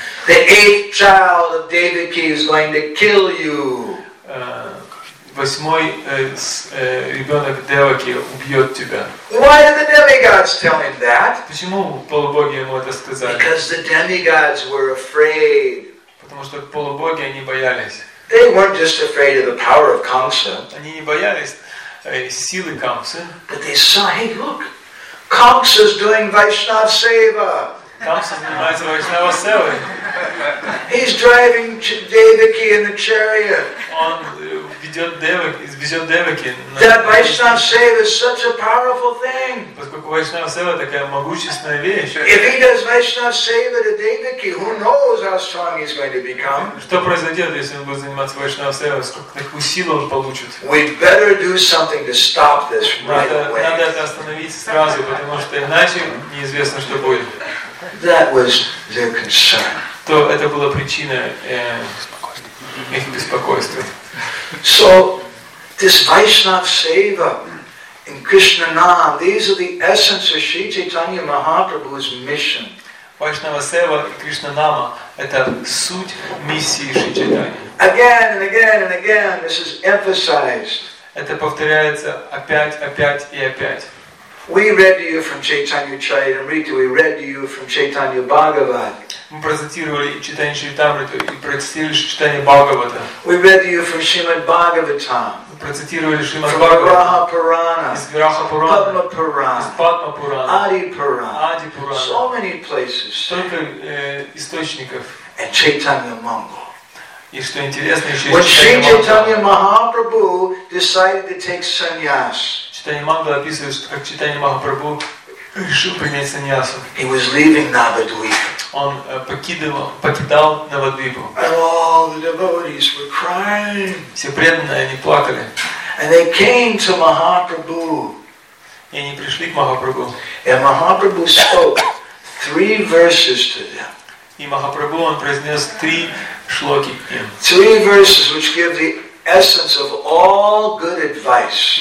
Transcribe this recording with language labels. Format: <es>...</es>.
<en>The eighth child of Devaki is going to kill you.</en> <ru>Восьмой ребенок Деваки убьет тебя.</ru> <en>Why did the demigods tell him that?</en> <ru>Почему полубоги ему это сказали?</ru> <en>Because the demigods were afraid.</en> <ru>Потому что полубоги они боялись.</ru> <en>They weren't just afraid of the power of Kamsa.</en> <ru>Они не боялись силы Камсы.</ru> <en>But they saw, hey, look, Kamsa's doing Vaishnava Seva.</en> <ru>Kamsa занимается Vaishnava Seva.</ru> <en>He's driving Devaki in the chariot.</en> <ru>Он ведет Деваки.</ru> <en>That Vaishnava Seva is such a powerful thing.</en> <ru>Поскольку Vaishnava Seva такая могущественная вещь.</ru> <en>If he does Vaishnava Seva to Devaki, who knows how strong he's going to become?</en> <ru>Что произойдет, если он будет заниматься Vaishnava Seva? Сколько таких сил он получит?</ru> <en>We better do something to stop this right away.</en> <ru>Надо это остановить сразу, потому что иначе неизвестно, что будет.</ru> <en>That was their concern.</en> <ru>То это была причина их беспокойства.</ru> <en>So this Vaishnava Seva and Krishna Nam, these are the essence of Sri Chaitanya Mahaprabhu's mission.</en> <ru>Vaishnava Seva and Krishna Nama, это суть миссии Шри Чайтаньи.</ru> <en>Again and again and again, this is emphasized.</en> <ru>Это повторяется опять, опять и опять.</ru> <en>We read to you from Chaitanya Charitamrita. We read to you from Chaitanya Bhagavat.</en> <ru>Мы процитировали читание Чайтамриты и процитировали читание Бхагавата.</ru> <en>We read to you from Shrimad Bhagavatam.</en> <ru>Мы процитировали Шримад Бхагаватам. Из Враха Пурана. Из Враха Пурана. Падма Пурана. Из Падма Пурана. Ади Пурана. Ади Пурана.</ru> <en>So many places.</en> <ru>Столько источников.</ru> <en>and Chaitanya Mangal.</en> <ru>И что интересно, еще</ru> <en>when Sri Chaitanya Mahaprabhu decided to take sannyas,</en> <ru>Chaitanya Mangal описывает, что как Chaitanya Mahaprabhu решил принять саньясу.</ru> <en>He was leaving Navadvipa.</en> <ru>Он покидал Навадвипу.</ru> <en>And all the devotees were crying.</en> <ru>Все преданные, они плакали.</ru> <en>And they came to Mahaprabhu.</en> <ru>И они пришли к Махапрабху.</ru> <en>And Mahaprabhu spoke three verses to them.</en> <ru>И Махапрабху, он произнес три шлоки к ним.</ru> <en>Three verses which give the essence of all good advice.</en>